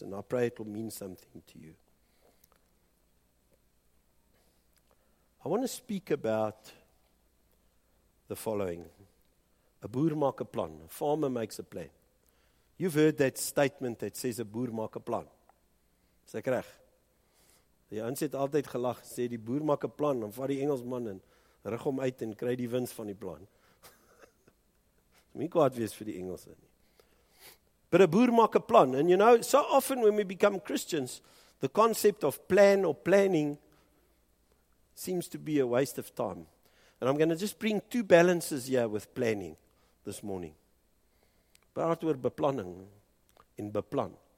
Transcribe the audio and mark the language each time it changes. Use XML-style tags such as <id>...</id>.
<en>And I pray it will mean something to you. I want to speak about the following.</en> <af>A boer maak 'n plan.</af> <en>A farmer makes a plan. You've heard that statement that says</en> <af>a boer maak 'n plan. Is ek reg? Die ouens het altyd gelag, sê die boer maak 'n plan. Dan vat die Engelsman en rig hom uit en kry die wins van die plan. Me God wees vir die Engelse nie. But a boer maak 'n plan.</af> <en>And you know, so often when we become Christians, the concept of plan or planning seems to be a waste of time. And I'm going to just bring two balances here with planning this morning.</en> <af>Praat oor beplanning en beplan.</af>